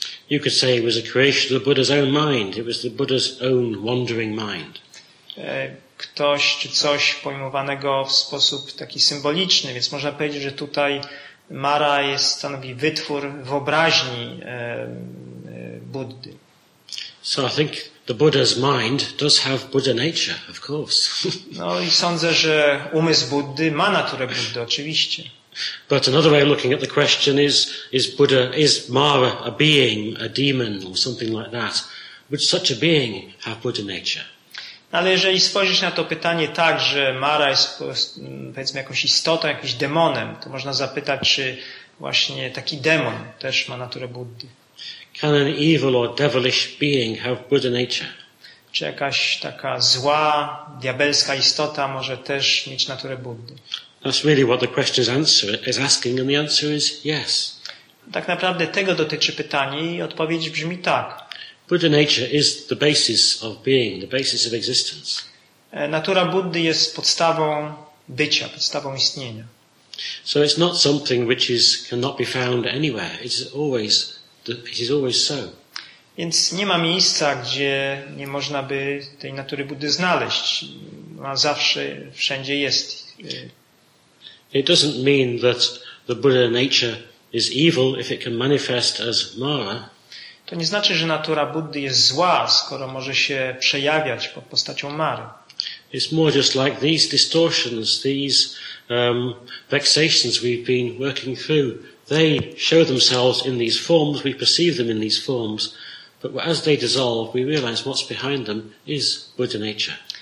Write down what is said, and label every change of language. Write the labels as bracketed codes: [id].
[en] You could say it was a creation of the Buddha's own mind. It was the Buddha's own wandering mind. [pl] Ktoś czy coś pojmowanego w sposób taki symboliczny, więc można powiedzieć, że tutaj Mara jest stanowi wytwór wyobraźni Buddy. [en] So I think the Buddha's mind does have Buddha nature, of course. [pl] No i sądzę, że umysł Buddy ma naturę Buddy, oczywiście. [en] But another way of looking at the question is Buddha, is Mara a being, a demon or something like that? Would such a being have Buddha nature? [pl] Ale jeżeli spojrzysz na to pytanie tak, że Mara jest powiedzmy jakąś istotą, jakimś demonem, to można zapytać, czy właśnie taki demon też ma naturę Buddy. [en] Can an evil or devilish being have Buddha nature? [pl] Czy jakaś taka zła, diabelska istota może też mieć naturę Buddy? [en] That's really what the question is asking, and the answer is yes. [pl] Tak naprawdę tego dotyczy pytanie i odpowiedź brzmi tak. [en] Buddha nature is the basis of being, the basis of existence. [pl] Natura Buddy jest podstawą bycia, podstawą istnienia. [en] So it's not something which is cannot be found anywhere. It is always so. [pl] Więc nie ma miejsca, gdzie nie można by tej natury Buddy znaleźć. Ona zawsze wszędzie jest. [en] It doesn't mean that the Buddha nature is evil if it can manifest as Mara. [pl] To nie znaczy, że natura Buddy jest zła, skoro może się przejawiać pod postacią Mary. [en] It's more just like these distortions, these vexations we've been working through. They show themselves in these forms, we perceive them in these forms, but as they dissolve, we realize what's behind them is Buddha nature.